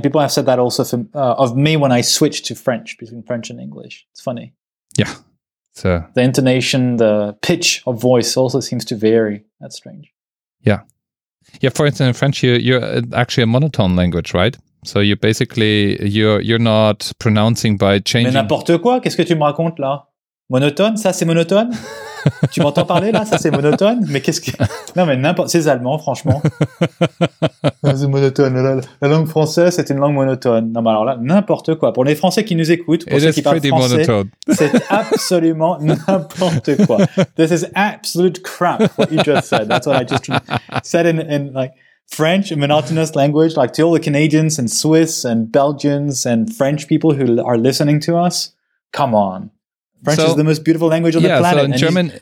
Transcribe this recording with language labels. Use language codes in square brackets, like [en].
[en] People have said that also of me when I switched to French, between French and English. It's funny. Yeah. So the intonation, the pitch of voice also seems to vary. That's strange. Yeah. Yeah. For instance, in French, you're actually a monotone language, right? So you're not pronouncing by changing. [fr] Mais n'importe quoi. Qu'est-ce que tu me racontes là? Monotone? Ça, c'est monotone? Tu m'entends parler là? Ça, c'est monotone? Mais qu'est-ce que... Non, mais n'importe... C'est allemand, franchement. C'est monotone. La langue française, c'est une langue monotone. Non, mais alors là, n'importe quoi. Pour les Français qui nous écoutent, pour ceux qui parlent français, monotone. C'est absolument n'importe quoi. [en] This is absolute crap, what you just said. That's what I just said in like French, a monotonous language, like to all the Canadians and Swiss and Belgians and French people who are listening to us. Come on. French is the most beautiful language on the planet. So in German,